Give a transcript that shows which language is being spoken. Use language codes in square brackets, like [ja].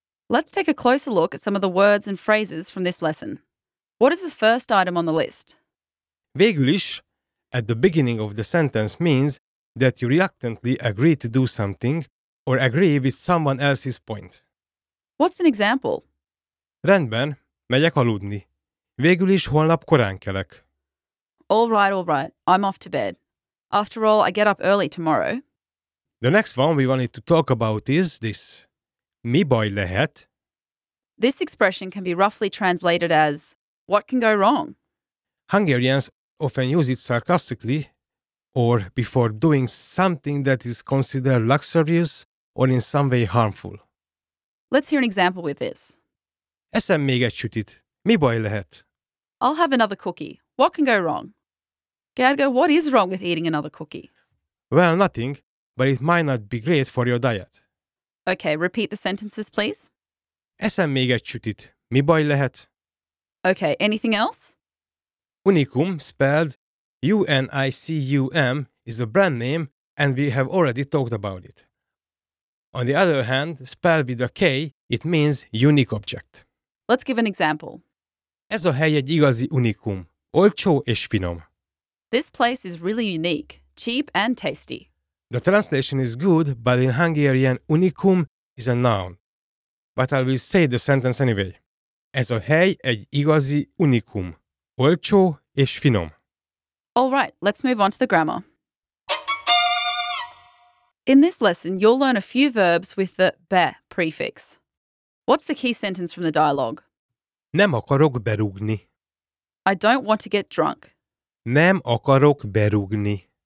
[en] Let's take a closer look at some of the words and phrases from this lesson. What is the first item on the list? Végül is, at the beginning of the sentence, means that you reluctantly agree to do something or agree with someone else's point. What's an example? [hu] Rendben, megyek aludni. Végül is holnap korán kelek. [en] All right, all right. I'm off to bed. After all, I get up early tomorrow. The next one we wanted to talk about is this. [hu] Mi baj lehet? [en] This expression can be roughly translated as, what can go wrong? Hungarians often use it sarcastically or before doing something that is considered luxurious or in some way harmful. Let's hear an example with this. [hu] Eszem még egy sütit. Mi baj lehet? [en] I'll have another cookie. What can go wrong? Gergő, what is wrong with eating another cookie? Well, nothing, but it might not be great for your diet. Okay, repeat the sentences, please. [hu] Eszem még egy sütit. Mi baj lehet? [en] Okay, anything else? Unicum, spelled U-N-I-C-U-M, is a brand name and we have already talked about it. On the other hand, spelled with a K, it means unique object. Let's give an example. [hu] Ez a hely egy igazi unikum, olcsó és finom. [en] This place is really unique, cheap and tasty. The translation is good, but in Hungarian, unikum is a noun. But I will say the sentence anyway. [hu] Ez a hely egy igazi unikum, olcsó és finom. [en] All right, let's move on to the grammar. In this lesson, you'll learn a few verbs with the be prefix. What's the key sentence from the dialogue? [hu] Nem akarok berúgni. [en] I don't want to get drunk. [hu] Nem akarok berúgni.